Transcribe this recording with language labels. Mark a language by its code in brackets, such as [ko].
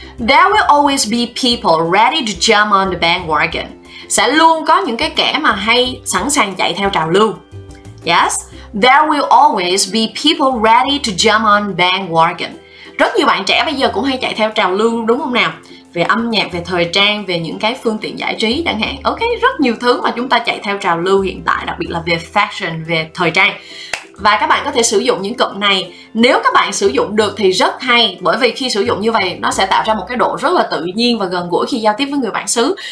[en] There will always be people ready to jump on the bandwagon. [vi] Sẽ luôn có những cái kẻ mà hay sẵn sàng chạy theo trào lưu. [en] Yes, there will always be people ready to jump on bandwagon. [vi] Rất nhiều bạn trẻ bây giờ cũng hay chạy theo trào lưu đúng không nào? Về âm nhạc, về thời trang, về những cái phương tiện giải trí chẳng hạn. Ok, rất nhiều thứ mà chúng ta chạy theo trào lưu hiện tại, đặc biệt là về fashion, về thời trang. Và các bạn có thể sử dụng những cụm này. Nếu các bạn sử dụng được thì rất hay, bởi vì khi sử dụng như vậy nó sẽ tạo ra một cái độ rất là tự nhiên và gần gũi khi giao tiếp với người bản xứ.